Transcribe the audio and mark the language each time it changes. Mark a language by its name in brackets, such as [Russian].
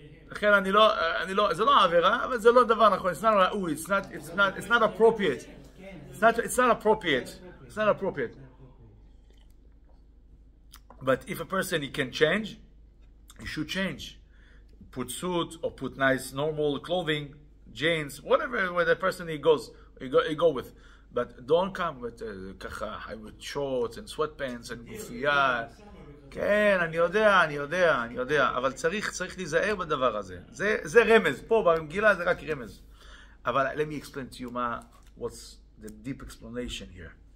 [Hebrew] לכן אני לא, זה לא עבירה, אבל זה לא דבר נכון. [English] It's not ראוי. It's not appropriate. It's not appropriate. But if a person he can change, he should change. Put suit or put nice normal clothing, Jains, whatever, where the person he goes with. But don't come with kacha, with shorts and sweatpants and gufiya. [Hebrew] כן, אני יודע. אבל צריך להיזהר בדבר הזה. זה רמז. פה במגילה זה רק רמז. [English] אבל let me explain to you what's the deep explanation here.